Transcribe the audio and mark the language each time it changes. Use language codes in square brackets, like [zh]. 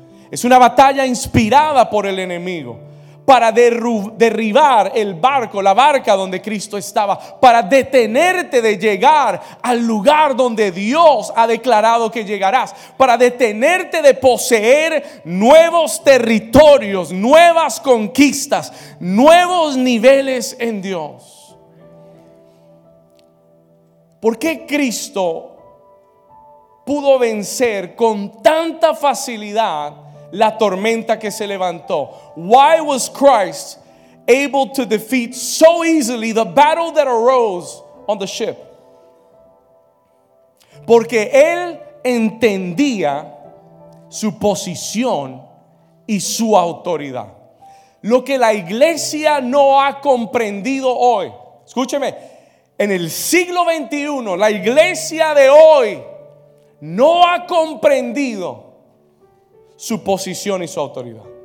[es] Es una batalla inspirada por el enemigo para derribar el barco, la barca donde Cristo estaba, para detenerte de llegar al lugar donde Dios ha declarado que llegarás, para detenerte de poseer nuevos territorios, nuevas conquistas, nuevos niveles en Dios. ¿Por qué Cristo pudo vencer con tanta facilidad la tormenta que se levantó? [en] Why was Christ able to defeat so easily the battle that arose on the ship? [es] Porque Él entendía su posición y su autoridad. Lo que la iglesia no ha comprendido hoy, escúcheme, en el siglo 21, la iglesia de hoy no ha comprendido su posición y su autoridad.